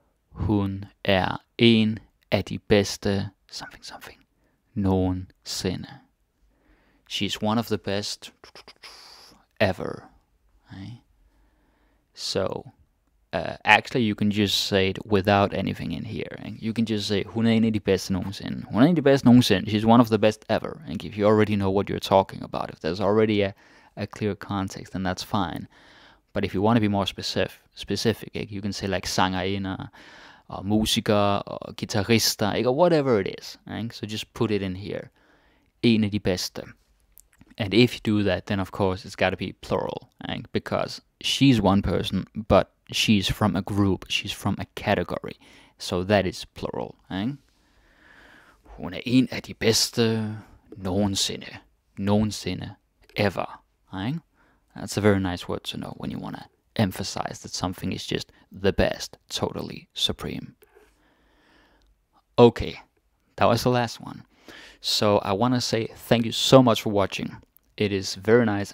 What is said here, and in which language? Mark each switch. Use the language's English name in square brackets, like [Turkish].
[Danish] Hun er en af de bedste [English] something something [Danish] nogensinde. [English] She's one of the best ever. Right? So, actually you can just say it without anything in here. Right? You can just say [Danish] hun er en af de bedste nogensinde. Hun er en af de bedste nogensinde. [English] She's one of the best ever. And if you already know what you're talking about, if there's already a clear context, then that's fine. But if you want to be more specific, like you can say like sangerinder, or musiker, or guitarista, like, or whatever it is. Right? So just put it in here. [Danish] En af de bedste. [English] And if you do that, then of course it's got to be plural. Right? Because she's one person, but she's from a group. She's from a category. So that is plural. Right? [Danish] Hun er en af de bedste nogensinde. [English] Nogensinde. Ever. Right? That's a very nice word to know when you want to emphasize that something is just the best, totally supreme. Okay, that was the last one. So I want to say thank you so much for watching. It is very nice.